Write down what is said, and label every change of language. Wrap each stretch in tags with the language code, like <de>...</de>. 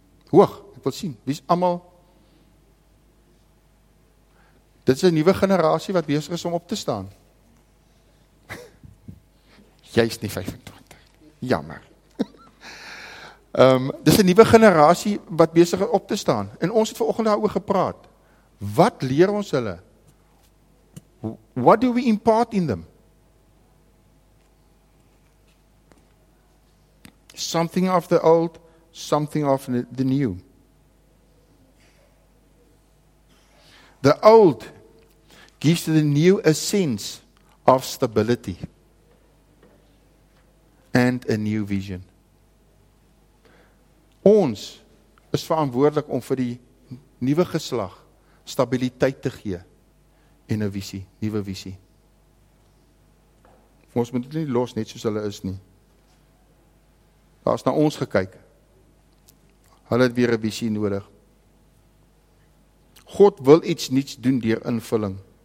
<af>Hoog, ek wil sien, wie is allemaal, dit is 'n nuwe generasie wat besig is om op te staan. Jy is nie 25, jammer. Dit is 'n nuwe generasie wat besig is om op te staan, en ons het vanoggend daar oor gepraat. Wat leer ons hulle?</af> <en>What do we impart in them? Something of the old, something of the new. The old gives to the new a sense of stability and a new vision. Ons</en> <af>is verantwoordelik om vir die nuwe geslag stabiliteit te gee en 'n visie, nuwe visie. Ons moet dit nie los net soos hulle is nie. Daar is na ons gekyk. Hulle het weer 'n visie nodig. God wil iets nuuts doen deur invulling.</af>